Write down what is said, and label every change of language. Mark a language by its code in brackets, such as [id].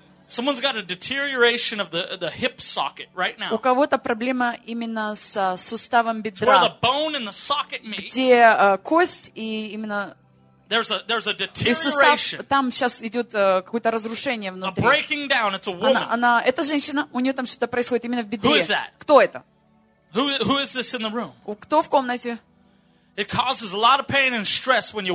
[en] Someone's got a deterioration of the hip socket right now. [ru] У кого-то проблема именно с суставом бедра. [en] Where the bone in the socket meet. [ru] Где кость и именно. [en] There's a deterioration. [ru] Там сейчас идет какое-то разрушение внутри. [en] A breaking down. It's a woman. [ru] Она это женщина. У нее там что-то происходит именно в бедре. [en] Who is that? [ru] Кто это? [en] Who is this in the room? [ru] Кто в комнате? [en] It causes a lot of pain and stress when you